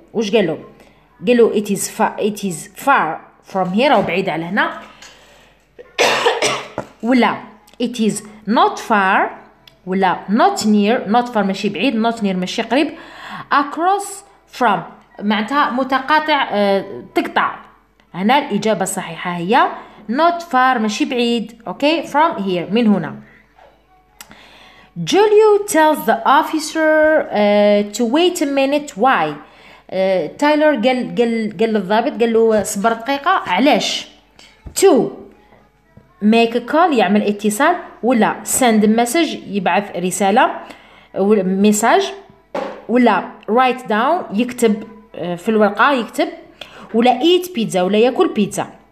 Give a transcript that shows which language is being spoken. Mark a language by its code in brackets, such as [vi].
[ar] وش قالوا؟ قالوا [en] it is far from here [ar] أو بعيد على هنا ولا [en] it is not far [ar] ولا [en] not near. not far [ar] ماشي بعيد، [en] not near [ar] ماشي قريب. [en] across from [ar] معناتها متقاطع تقطع. هنا الإجابة الصحيحة هي [en] not far [ar] ماشي بعيد. [en] okay from here [ar] من هنا. [en] Julio tells the officer to wait a minute. [ar] why تايلر قال الضابط قال له صبر دقيقة علاش؟ [en] to make a call [ar] يعمل اتصال ولا [en] send message [ar] يبعث رسالة ميساج ولا [en] write down [ar] يكتب في الورقة يكتب ولا [en] eat pizza [ar] ولا يأكل بيتزا.